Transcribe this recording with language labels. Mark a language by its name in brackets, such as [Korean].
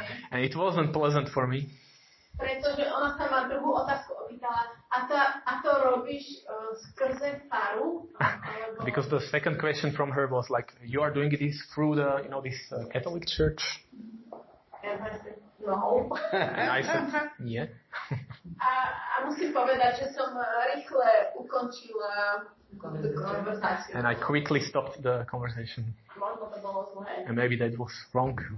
[English] And it wasn't pleasant for me. [Slovak] Pretože ona sa ma druhú otázku opýtala, a to robíš skrze faru? [English] Because the second question from her was like, you are doing this through the, you know, this Catholic church? And I said, no. And I said, yeah. [Slovak] A musím povedať, že som rýchle ukončila [English] the conversation. And I quickly stopped the conversation. And maybe that was wrong.